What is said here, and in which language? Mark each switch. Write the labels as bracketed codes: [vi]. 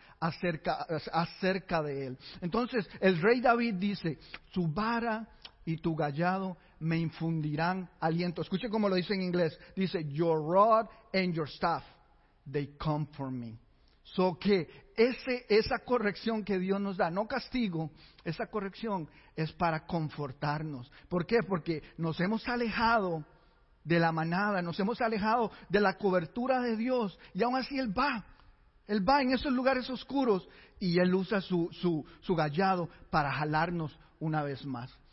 [es] Acerca de él. Entonces, el rey David dice, tu vara y tu gallado me infundirán aliento. Escuche cómo lo dice en inglés. [en] Dice, your rod and your staff, they comfort me. [es] So que esa corrección que Dios nos da, no castigo, esa corrección es para confortarnos. ¿Por qué? Porque nos hemos alejado de la manada, nos hemos alejado de la cobertura de Dios y aún así Él va en esos lugares oscuros y Él usa su gallado para jalarnos una vez más.